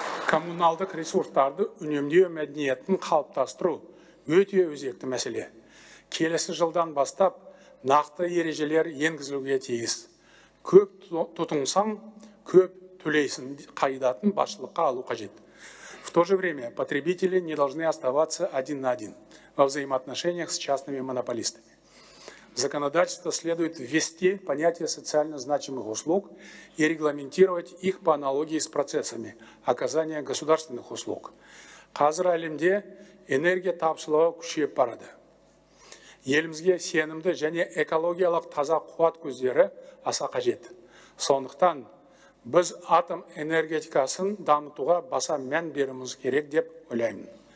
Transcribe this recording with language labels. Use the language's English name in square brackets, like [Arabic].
[Kazakh] Коммуналдық ресурстарды үнемдеу мәдениетін қалыптастыру өте өзекті мәселе. Келесі жылдан бастап нақты ережелер енгізілуге тиіс. Көп тұтынсаң, көп төлейсің қағидатын басшылыққа алу қажет. [Russian] В то же время потребители не должны оставаться один на один во взаимоотношениях с частными монополистами. В законодательство следует ввести понятие социально значимых услуг и регламентировать их по аналогии с процессами оказания государственных услуг. [Kazakh] Қазір әлемде энергия тапшылығы күшейіп барады. Елімізге сенімді және экологиялық таза қуат көздері аса қажет. Сондықтан біз атом энергетикасын дамытуға баса мән беруіміз керек деп ойлаймын.